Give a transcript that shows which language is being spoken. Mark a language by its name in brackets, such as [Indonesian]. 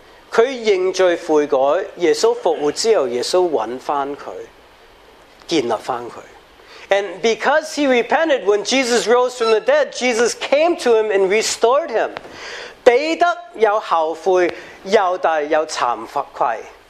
[Chinese] 他认罪悔改, 耶稣复活之后, 耶稣找回他, 建立回他。 [English] And because he repented, when Jesus rose from the dead, Jesus came to him and restored him. [Chinese] 彼得有后悔, 又大又惭愧。